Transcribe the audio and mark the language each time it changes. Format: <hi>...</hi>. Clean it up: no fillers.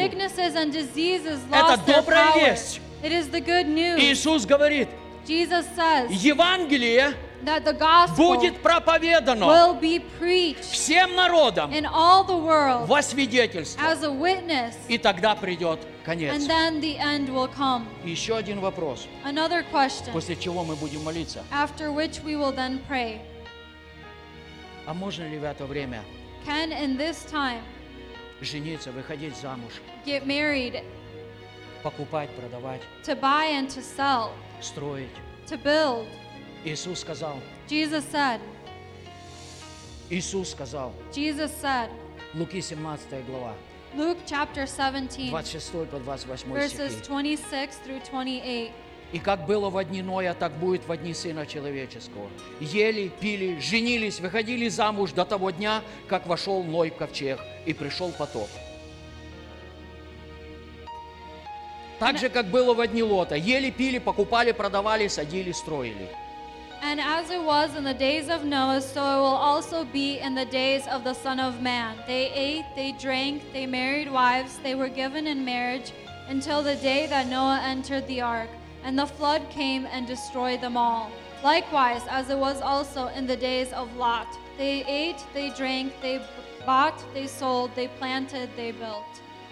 <ru>Это добрая весть. Иисус говорит, Евангелие</ru> <en>that the gospel</en> <ru>будет проповедано</ru> <en>will be preached</en> <ru>всем народам</ru> <en>in all the world</en> <ru>во свидетельство</ru> <en>as a witness,</en> <ru>и тогда придет конец.</ru> <en>And then the end will come.</en> <ru>Еще один вопрос,</ru> <en>another question,</en> <ru>после чего мы будем молиться,</ru> <en>after which we will then pray.</en> <ru>А можно ли в это время</ru> <en>can in this time</en> <ru>жениться, выходить замуж,</ru> <en>get married,</en> <ru>покупать, продавать,</ru> <en>to buy and to sell,</en> <ru>строить,</ru> <en>to build.</en> <ru>Иисус сказал.</ru> <en>Jesus said.</en> <ru>Иисус сказал.</ru> <en>Jesus said.</en> <ru>Луки 17 глава.</ru> <en>Luke chapter 17.</en> <ru>26 по 28</ru> <en>стихи. Verses 26 through 28.</en> <ru>И как было во дни Ноя, так будет во дни Сына Человеческого. Ели, пили, женились, выходили замуж до того дня, как вошел Ной в ковчег и пришел потоп. Так же, как было во дни Лота. Ели, пили, покупали, продавали, садили, строили.</ru> <en>And as it was in the days of Noah, so it will also be in the days of the Son of Man. They ate, they drank, they married wives, they were given in marriage until the day that Noah entered the ark, and the flood came and destroyed them all. Likewise, as it was also in the days of Lot, they ate, they drank, they bought, they sold, they planted, they built.</en>